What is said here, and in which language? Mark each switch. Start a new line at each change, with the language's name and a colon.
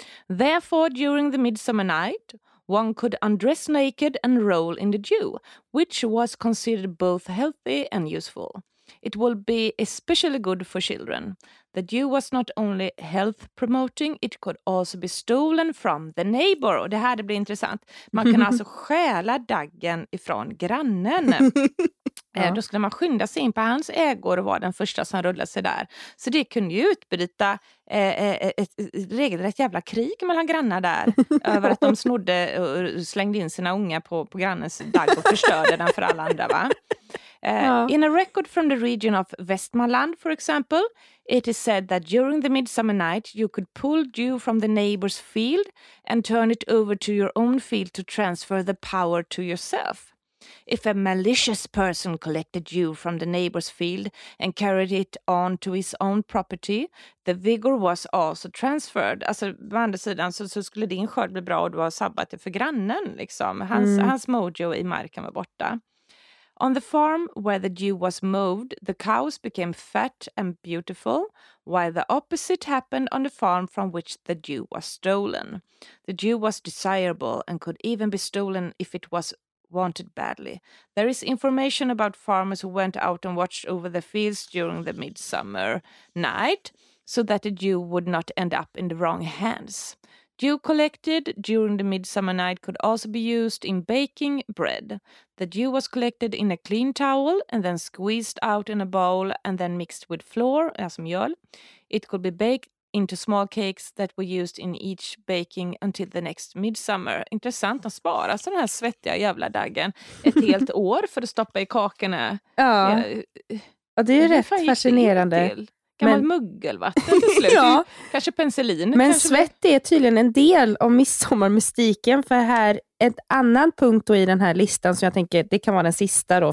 English: Therefore, during the Midsummer Night, one could undress naked and roll in the dew, which was considered both healthy and useful. It will be especially good for children. The dew was not only health promoting, it could also be stolen from the neighbor.
Swedish: Och det här blir intressant. Man kan alltså stjäla daggen ifrån grannen. Då skulle man skynda sig in på hans ägor och vara den första som rullade sig där. Så det kunde ju utbryta ett regelrätt jävla krig mellan grannar där. Över att de snodde och slängde in sina unga på grannens dagg och förstörde den för alla andra, va?
English: In a record from the region of Västmanland, for example, it is said that during the Midsummer Night you could pull dew from the neighbor's field and turn it over to your own field to transfer the power to yourself. If a malicious person collected dew from the neighbor's field and carried it on to his own property, the vigor was also transferred.
Swedish: Alltså på andra sidan så skulle din skörd bli bra och du har sabbat det för grannen liksom. Hans mojo i marken var borta.
English: On the farm where the dew was mowed, the cows became fat and beautiful, while the opposite happened on the farm from which the dew was stolen. The dew was desirable and could even be stolen if it was wanted badly. There is information about farmers who went out and watched over the fields during the Midsummer Night so that the dew would not end up in the wrong hands. Dew collected during the Midsummer Night could also be used in baking bread. The dew was collected in a clean towel and then squeezed out in a bowl and then mixed with flour,
Swedish: alltså mjöl.
English: It could be baked into small cakes that were used in each baking until the next midsummer.
Swedish: Intressant att spara så den här svettiga jävla daggen ett helt år för att stoppa i kakorna. Ja, ja det är ju rätt fascinerande. Gammal muggelvatten till slut. Ja. Kanske penicillin. Men kanske svett är tydligen en del av midsommarmystiken. För här, ett annan punkt då i den här listan som jag tänker, det kan vara den sista då.